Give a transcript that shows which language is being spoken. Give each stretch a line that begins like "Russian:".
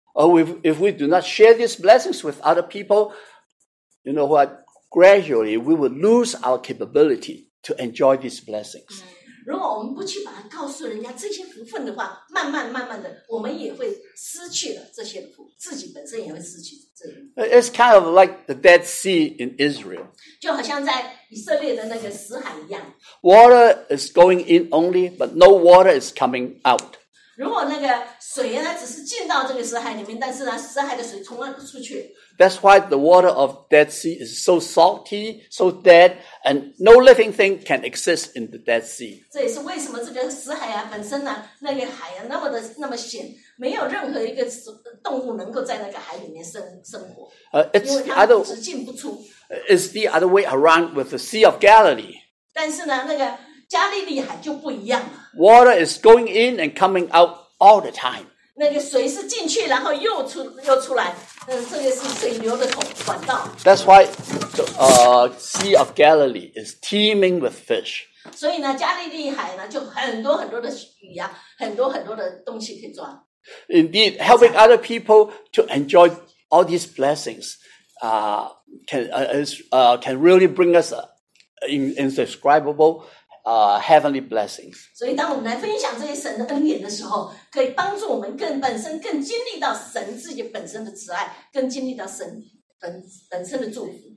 English: If we do not share these blessings with other people, you know what? Gradually, we will lose our capability to enjoy these blessings.
Chinese: 如果我们不去把它告诉人家这些福分的话，慢慢的，我们也会失去了这些福，自己本身也会失去。
English: It's kind of like the Dead Sea in Israel.
Chinese: 就好像在以色列的那个死海一样。
English: Water is going in only, but no water is coming out.
Chinese: 如果那个水呢只是进到这个死海里面，但是呢死海的水从来不出去。
English: That's why the water of Dead Sea is so salty, so dead, and no living thing can exist in the Dead Sea.
Chinese: 这也是为什么这个死海啊本身呢、啊、那个海啊那么咸，没有任何一个动物能够在那个海里面生活。
English: It's
Chinese: 因为它只进不出。
English: It's the other way around with the Sea of Galilee.
Chinese: 但是呢那个加利利海就不一样了。
English: Water is going in and coming out all the time.
Chinese: 那个水是进去然后又出来。这个是水流的管道。
English: That's why the Sea of Galilee is teeming with fish.
Chinese: 所以呢加利利海呢就很多很多的鱼啊，很多很多的东西可以抓。
English: Indeed, helping other people to enjoy all these blessings, can really bring us indescribable, heavenly blessings.
Chinese: 所以当我们来分享这些神的恩典的时候，可以帮助我们更本身更经历到神自己本身的慈爱，更经历到神本身的祝福。